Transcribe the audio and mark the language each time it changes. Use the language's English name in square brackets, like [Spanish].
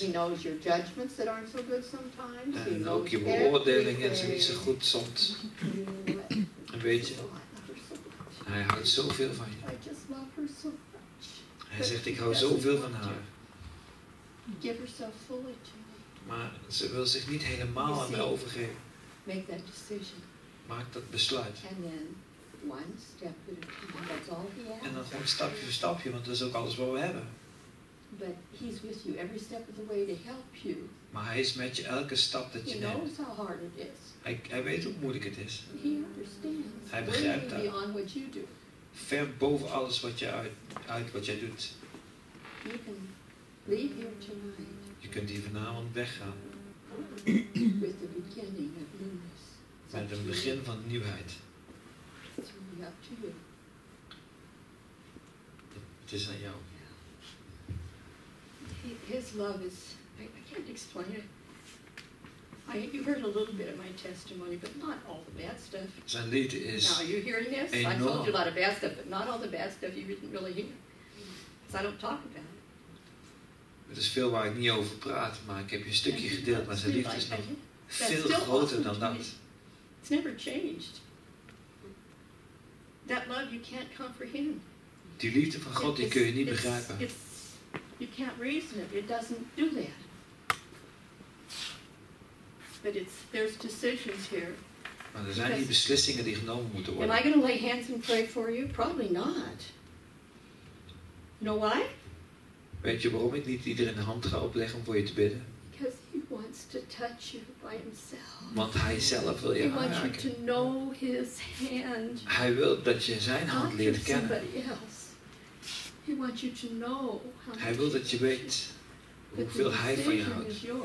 [English] He knows your judgments that aren't so good sometimes. [Dutch] En [English] he knows [Dutch] ook je beoordelingen zijn niet zo goed soms. En weet je, hij houdt zoveel van je. [English] I just love her so much. [Dutch] Hij zegt, ik hou zoveel van haar. [English] Give herself fully to. [Dutch] Maar ze wil zich niet helemaal aan mij overgeven. [English] Make that decision. [Dutch] Maak dat besluit. [English] And then one step at a time. That's all he has. [Dutch] En dan gewoon stapje voor stapje, want dat is ook alles wat we hebben. [English] But he's with you every step of the way to help you. [Dutch] Maar hij is met je elke stap dat je neemt. [English] He knows how hard it is. [Dutch] Hij weet hoe moeilijk het is. [English] He understands. [Dutch] Hij begrijpt dat. [English] Beyond what you do. [Dutch] Ver boven alles wat je uit wat jij doet. [English] You can leave here tonight. [Dutch] Je kunt hier vanavond weggaan. [English] With the beginning of newness. [Dutch] Met een begin van nieuwheid. [English] It's really up to you. [Dutch] Het is aan jou. [English] His love is. I can't explain it. You heard a little bit of my testimony, but not all the bad stuff. [Dutch] Zijn liefde is. [English] Now, are you hearing this? [Dutch] Enorm. [English] I told you a lot of bad stuff, but not all the bad stuff you didn't really hear. Because I don't talk about it. [Dutch] Het is veel waar ik niet over praat, maar ik heb je een stukje gedeeld. Maar zijn liefde is nog veel groter dan dat. [English] It's never changed. That love you can't comprehend. [Dutch] Die liefde van God, die kun je niet begrijpen. [English] You can't reason it. It doesn't do that. But there's decisions here. [Dutch] Maar er zijn die beslissingen die genomen moeten worden. [English] Am I going to lay hands and pray for you? Probably not. You know why? [Dutch] Weet je waarom ik niet iedereen de hand ga opleggen om voor je te bidden? [English] Because he wants to touch you by himself. [Dutch] Want hij zelf wil je aanraken. [English] He wants you to know his hand. [Dutch] Hij wil dat je zijn hand leert kennen. [English] Not somebody else. He wants you to know how [Dutch] hij wil dat je weet hoeveel hij van je houdt.